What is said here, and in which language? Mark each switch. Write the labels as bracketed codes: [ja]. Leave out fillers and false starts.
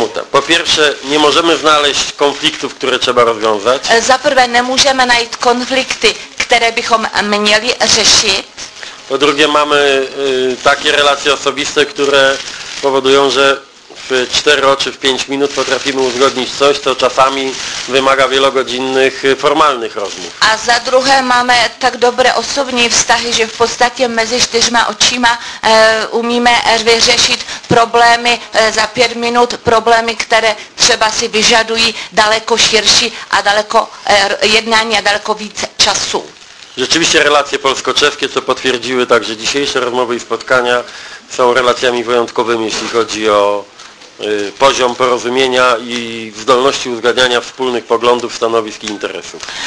[pl] Po pierwsze, nie możemy znaleźć konfliktów, które trzeba rozwiązać. [cs] Za prvé, nemůžeme najít konflikty, které bychom měli řešit. [pl] Po drugie, mamy takie relacje osobiste, które powodują, że w 4 czy w 5 minut potrafimy uzgodnić coś, co czasami wymaga wielogodzinnych formalnych rozmów. [cs] A za druhé, mamy tak dobre osobní vztahy, że w podstatě mezi 4 očima umíme vyřešit problémy za 5 minut, problémy, které třeba si vyžadují daleko širší a daleko jednání a daleko více času. [pl] Rzeczywiście relacje polsko-czeskie, co potwierdziły także dzisiejsze rozmowy i spotkania, są relacjami wyjątkowymi, jeśli chodzi o poziom porozumienia i zdolności uzgadniania wspólnych poglądów, stanowisk i interesów.